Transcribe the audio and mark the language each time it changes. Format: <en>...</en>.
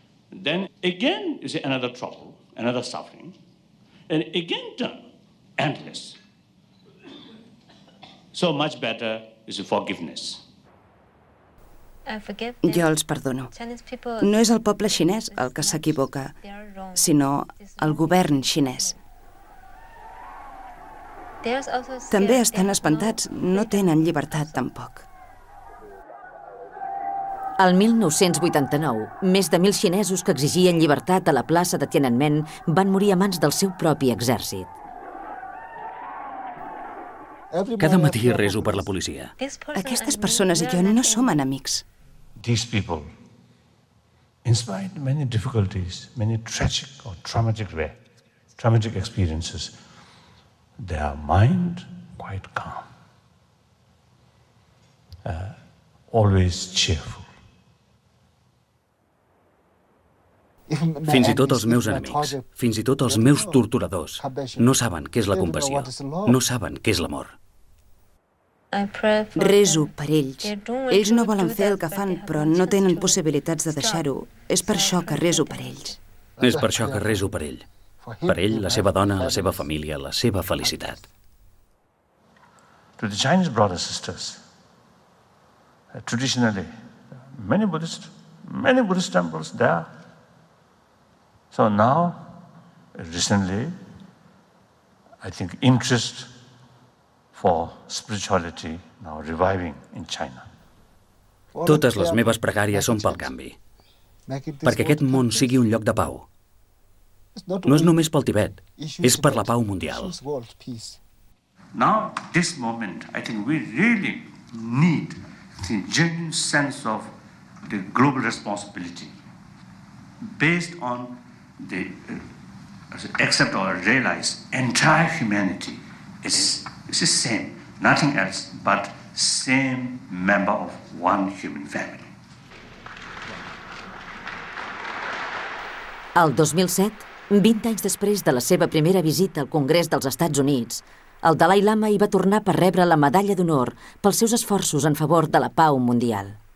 <en>Then again, you see, another trouble, another suffering. And again, turn. Endless. So much better is forgiveness.</en> <ca>Jo els perdono. No és el poble xinès el que s'equivoca, sinó el govern xinès. També estan espantats, no tenen llibertat tampoc. El 1989, més de 1.000 xinesos que exigien llibertat a la plaça de Tiananmen van morir a mans del seu propi exèrcit. Cada matí reso per la policia. Aquestes persones i jo no som enemics.</ca> <en>These people, in spite of many difficulties, many tragic or traumatic experiences, their mind quite calm, always cheerful.</en> <ca>Fins i tot els meus enemics, fins i tot els meus torturadors, no saben què és la compassió, no saben què és l'amor. Reso per ells. Ells no volen fer el que fan, però no tenen possibilitats de deixar-ho. És per això que reso per ells. És per això que reso per ell. Per ell, la seva dona, la seva família, la seva felicitat.</ca> <en>To the Chinese brothers and sisters, traditionally, many Buddhist temples there. So now, recently, I think interest for spirituality now reviving in China.</en> <ca>Totes les meves pregàries són pel canvi, perquè aquest món sigui un lloc de pau. No és només pel Tibet, és per la pau mundial.</ca> <en>Now, this moment, I think we really need the genuine sense of the global responsibility based on the accept or realize entire humanity is the same, nothing else but same member of one human family.</en> <ca>El 2007, 20 anys després de la seva primera visita al Congrés dels Estats Units, el Dalai Lama hi va tornar per rebre la medalla d'honor pels seus esforços en favor de la pau mundial.</ca>